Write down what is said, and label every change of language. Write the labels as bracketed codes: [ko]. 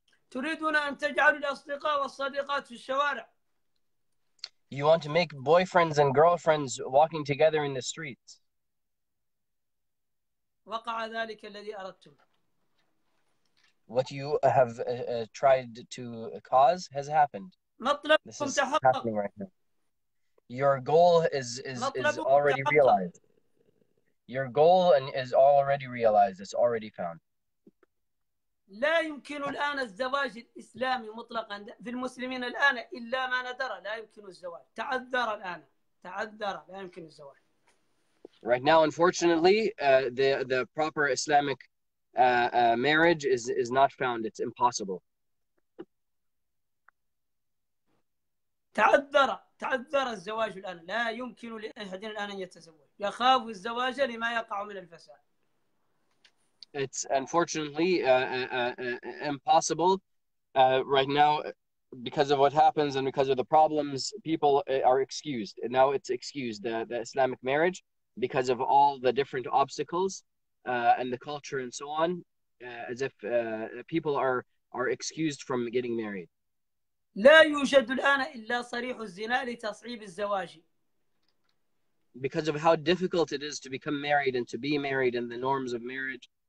[ar] تريدون أن تجعلوا الأصدقاء والصديقات في الشوارع. [en] You want to make boyfriends and girlfriends walking together in the streets. [ar] وقع ذلك الذي أردتم. [en] What you have tried to cause has happened. This is happening right now. Your goal is already realized. Your goal is already realized. It's already found. [ar] لا يمكن الآن الزواج الإسلامي مطلقا في المسلمين الآن إلا ما ندر لا يمكن الزواج تعذر الآن تعذر لا يمكن الزواج. [en] Right now, unfortunately, the proper Islamic marriage is not found. It's impossible. [ar] تعذر تعذر الزواج الآن لا يمكن لأحد الآن أن يتزوج يخاف الزواج لما يقع من الفساد. [en] It's unfortunately impossible right now because of what happens and because of the problems, people are excused. And now it's excused, the Islamic marriage, because of all the different obstacles and the culture and so on, as if people are excused from getting married. [ar] لا يوجد الآن إلا صريح الزنا لتصعيب الزواج. [en] Because of how difficult it is to become married and to be married and the norms of marriage.